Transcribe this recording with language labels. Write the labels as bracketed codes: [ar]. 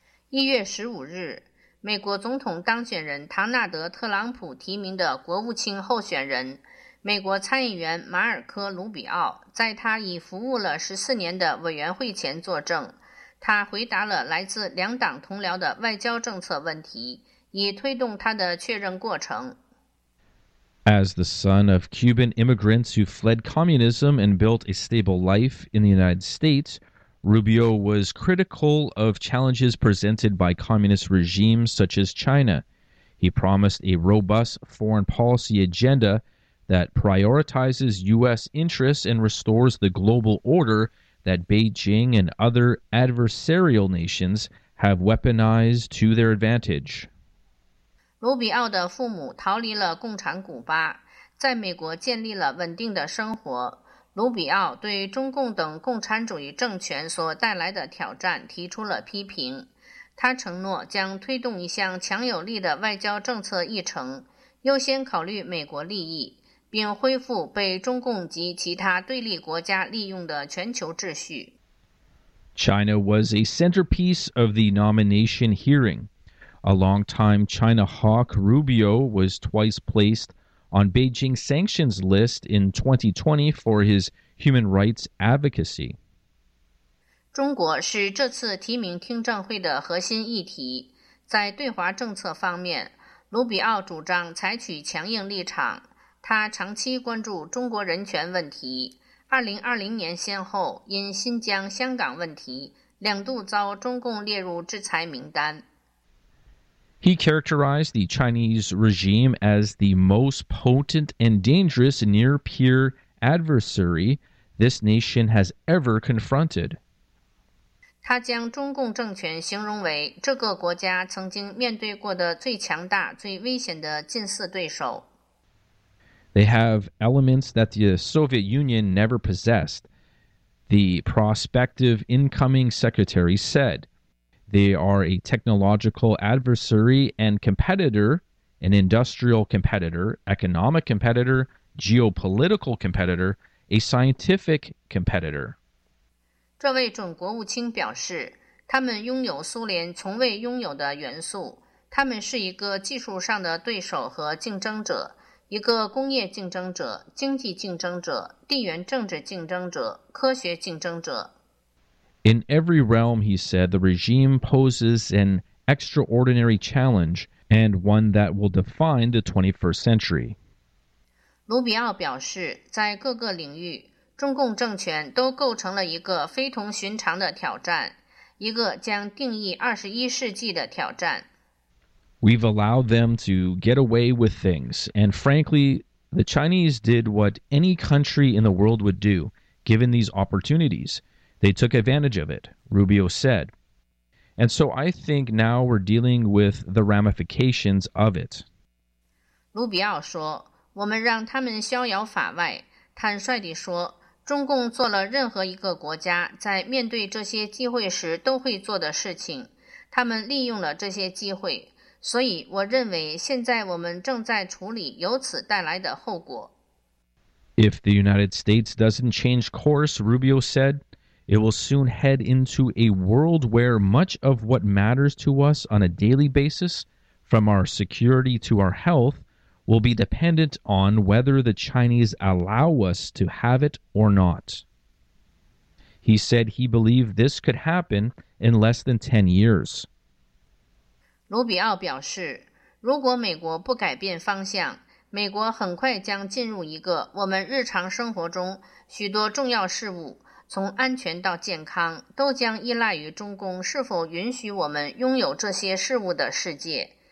[zh] 1月15日，美国总统当选人唐纳德·特朗普提名的国务卿候选人、美国参议员马尔科·卢比奥在他已服务了14年的委员会前作证。他回答了来自两党同僚的外交政策问题，以推动他的确认过程。 [en] As the son of Cuban immigrants who fled communism and built a stable life in the United States, Rubio was critical of challenges presented by communist regimes such as China. He promised a robust foreign policy agenda that prioritizes U.S. interests and restores the global order that Beijing and other adversarial nations have weaponized to their advantage. [zh] 卢比奥的父母逃离了共产古巴，在美国建立了稳定的生活。卢比奥对中共等共产主义政权所带来的挑战提出了批评。他承诺将推动一项强有力的外交政策议程，优先考虑美国利益，并恢复被中共及其他对立国家利用的全球秩序。 [en] China was a centerpiece of the nomination hearing. A longtime China hawk, Rubio, was twice placed on Beijing's sanctions list in 2020 for his human rights advocacy. [zh] 中国是这次提名听证会的核心议题。在对华政策方面，卢比奥主张采取强硬立场。他长期关注中国人权问题。2020年先后因新疆、香港问题两度遭中共列入制裁名单。 [en] He characterized the Chinese regime as the most potent and dangerous near-peer adversary this nation has ever confronted. [zh] 他将中共政权形容为这个国家曾经面对过的最强大、最危险的近似对手。 [en] They have elements that the Soviet Union never possessed, the prospective incoming secretary said. They are a technological adversary and competitor, an industrial competitor, economic competitor, geopolitical competitor, a scientific competitor. [zh] 这位准国务卿表示，他们拥有苏联从未拥有的元素，他们是一个技术上的对手和竞争者，一个工业竞争者、经济竞争者、地缘政治竞争者、科学竞争者。 [en] In every realm, he said, the regime poses an extraordinary challenge and one that will define the 21st century. [zh] 卢比奥表示，在各个领域，中共政权都构成了一个非同寻常的挑战，一个将定义21世纪的挑战。 [en] We've allowed them to get away with things, and frankly, the Chinese did what any country in the world would do, given these opportunities. They took advantage of it, Rubio said. And so I think now we're dealing with the ramifications of it. [zh] 卢比奥说，我们让他们逍遥法外。坦率地说，中共做了任何一个国家在面对这些机会时都会做的事情。他们利用了这些机会。所以我认为现在我们正在处理由此带来的后果。 [en] If the United States doesn't change course, Rubio said,It will soon head into a world where much of what matters to us on a daily basis, from our security to our health, will be dependent on whether the Chinese allow us to have it or not. He said he believed this could happen in less than 10 years. [zh] 卢比奥表示，如果美国不改变方向，美国很快将进入一个我们日常生活中许多重要事物从安全到健康都将依赖于中共是否允许我们拥有这些事物的世界。